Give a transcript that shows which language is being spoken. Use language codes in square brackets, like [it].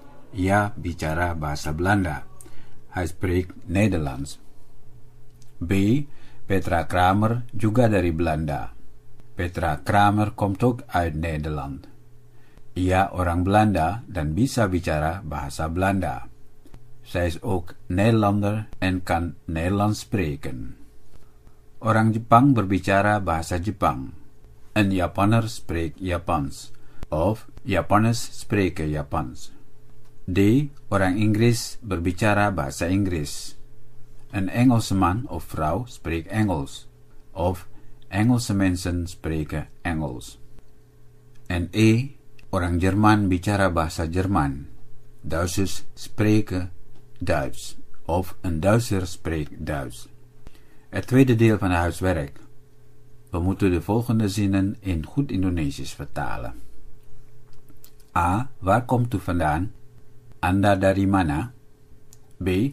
[id] Ia bicara bahasa Belanda. [nl] Hij spreekt Nederlands. B. [id] Petra Kramer, juga dari Belanda. [nl] Petra Kramer komt ook uit Nederland. [id] Ia orang Belanda dan bisa bicara bahasa Belanda. [nl] Zij is ook Nederlander en kan Nederlands spreken. [id] Orang Jepang berbicara bahasa Jepang. [nl] Een Japanner spreekt Japans. Of Japanners spreken Japans. D. [id] Orang Inggris berbicara bahasa Inggris. [nl] Een Engelse man of vrouw spreekt Engels. Of Engelse mensen spreken Engels. En E. [id] Orang Jerman bicara bahasa Jerman. [nl] Duitsers spreken Duits. Of een Duitser spreekt Duits. Het tweede deel van het huiswerk. We moeten de volgende zinnen in goed Indonesisch vertalen. A. Waar komt u vandaan? [id] Anda dari mana? [nl] B.